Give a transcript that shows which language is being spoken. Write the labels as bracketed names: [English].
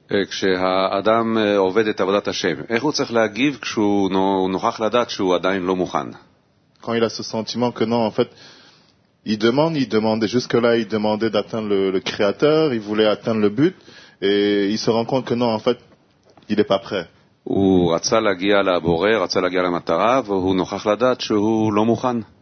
[Hebrew] כשהאדם עובד את עבודת השם, איך הוא צריך להגיב כשהוא נוכח לדעת שהוא עדיין לא מוכן? [French] Quand il a ce sentiment que non, en fait, il demandait jusque-là, il demandait d'atteindre le créateur, il voulait atteindre le but, et il se rend compte que non, en fait, il n'est pas prêt. [Hebrew] הוא רצה להגיע לבורא, רצה להגיע למטרה, והוא נוכח לדעת שהוא לא מוכן.